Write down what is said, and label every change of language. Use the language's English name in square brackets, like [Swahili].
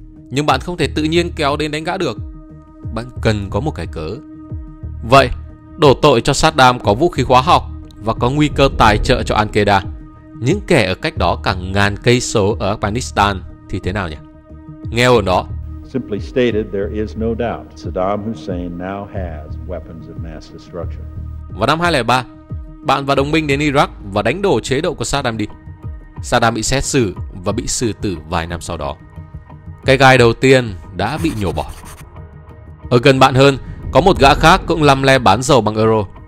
[Vietnamese] Nhưng bạn không thể tự nhiên kéo đến đánh gã được. Bạn cần có một cái cớ. Vậy, đổ tội cho Saddam có vũ khí hóa học và có nguy cơ tài trợ cho Al-Qaeda, những kẻ ở cách đó cả ngàn cây số ở Afghanistan thì thế nào nhỉ? Nghe ở đó. [English] Simply stated, there is no doubt Saddam Hussein now has weapons of mass destruction. [Vietnamese] Vào năm 2003, bạn và đồng minh đến Iraq và đánh đổ chế độ của Saddam đi. Saddam bị xét xử và bị xử tử vài năm sau đó. Cái gai đầu tiên đã bị nhổ bỏ. Ở gần bạn hơn, có một gã khác cũng lăm le bán dầu bằng euro.